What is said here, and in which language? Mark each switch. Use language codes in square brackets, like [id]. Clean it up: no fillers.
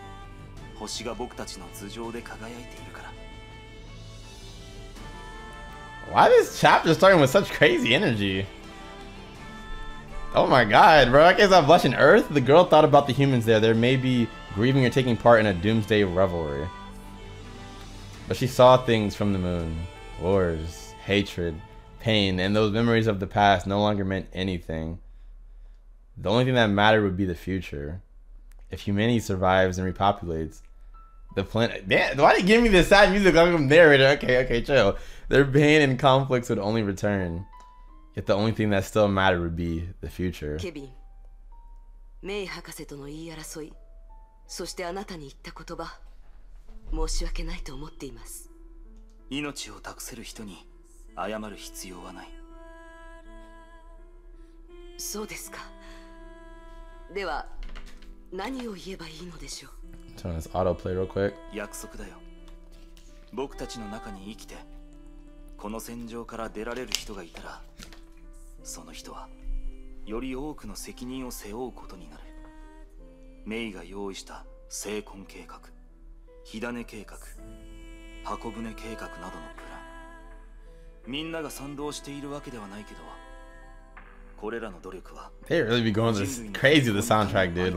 [ja] 地球が僕たちを育て、星が僕たちの頭上で輝いているから。 [en] Why this chapter starting with such crazy energy? Oh my god, bro. I guess I'm blushing. Earth? The girl thought about the humans there. They may be grieving or taking part in a doomsday revelry. But she saw things from the moon. Wars, hatred, pain, and those memories of the past no longer meant anything. The only thing that mattered would be the future. If humanity survives and repopulates, the planet. Damn, why did you give me this sad music? I'm narrator. Okay, chill. Their pain and conflicts would only return. Yet the only thing that still mattered would be the future. [ja] Kevin, May 博士との言い争い, そしてあなたに言った言葉、申し訳ないと思っています. 命を託せる人に謝る必要はない. そうですか. では 何を言えばいいのでしょう? [en] Turn this autoplay real quick. [ja] 約束だよ。僕たちの中に生きて、この戦場から出られる人がいたら、その人はより多くの責任を背負うことになる。メイが用意した成婚計画、火種計画、箱舟計画などのプラン、みんなが賛同しているわけではないけど。 [en] They really be going this crazy with the soundtrack, dude.